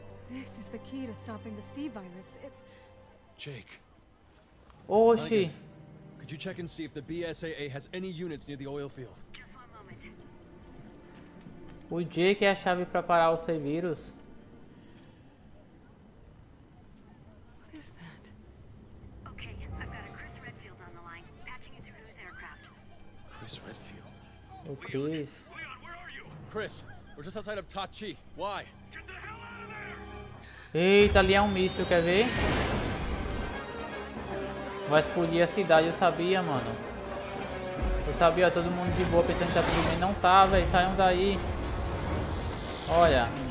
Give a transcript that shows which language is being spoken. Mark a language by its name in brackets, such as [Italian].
[English] This is the key to stopping the C virus. It's Jake. Oxi. Could you check and see if the BSAA has any units near the oil field? [Portuguese] O Jake é a chave para parar o C vírus. [English] What is that? Okay, I've got a Chris Redfield on the line, patching it through his aircraft. Chris Redfield. Oh, Chris. Leon, where are you? Chris, we're just outside of Tachi. Why? Get the hell out of there! [Portuguese] Eita, ali é um míssil, quer ver? Vai explodir a cidade, eu sabia, mano. Eu sabia, todo mundo de boa pensando que tá tudo bem. Não tá, velho. Saiam daí. Olha.